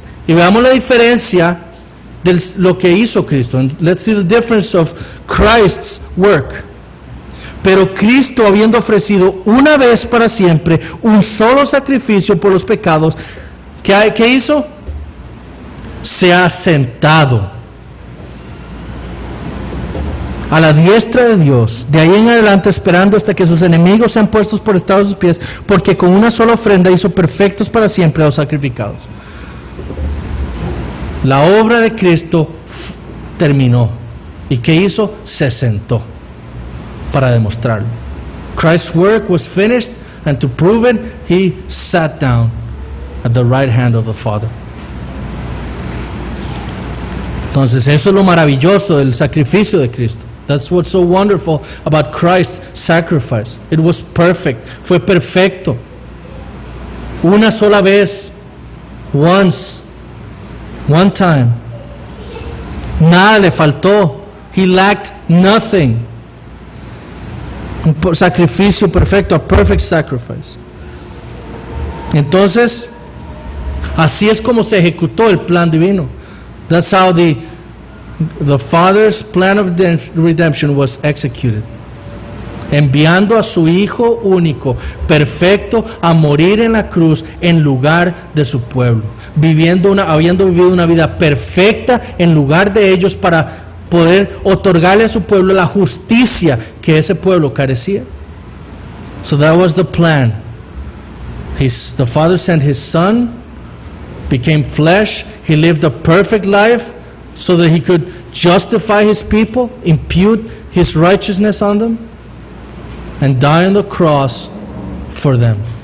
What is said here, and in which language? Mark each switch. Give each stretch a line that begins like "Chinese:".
Spanish: Y veamos la diferencia de lo que hizo Cristo.
English: And let's see the difference of Christ's work.
Spanish: Pero Cristo, habiendo ofrecido una vez para siempre un solo sacrificio por los pecados, ¿qué hizo? Se ha sentado a la diestra de Dios, de ahí en adelante esperando hasta que sus enemigos sean puestos por estrado de sus pies, porque con una sola ofrenda hizo perfectos para siempre a los sacrificados. La obra de Cristo terminó. ¿Y qué hizo? Se sentó para demostrarlo.
English: Christ's work was finished, and to prove it, he sat down at the right hand of the Father.
Spanish: Entonces, eso es lo maravilloso del sacrificio de Cristo.
English: That's what's so wonderful about Christ's sacrifice. It was perfect.
Spanish: Fue perfecto. Una sola vez.
English: Once. One time.
Spanish: Nada le faltó.
English: He lacked nothing.
Spanish: Un sacrificio perfecto.
English: A perfect sacrifice.
Spanish: Entonces, así es como se ejecutó el plan divino.
English: That's how the Father's plan of redemption was executed.
Spanish: Enviando a su Hijo único, perfecto, a morir en la cruz en lugar de su pueblo. Habiendo vivido una vida perfecta en lugar de ellos, para poder otorgarle a su pueblo la justicia que ese pueblo carecía.
English: So that was the plan. The Father sent his Son, became flesh, he lived a perfect life, so that he could justify his people, impute his righteousness on them, and die on the cross for them.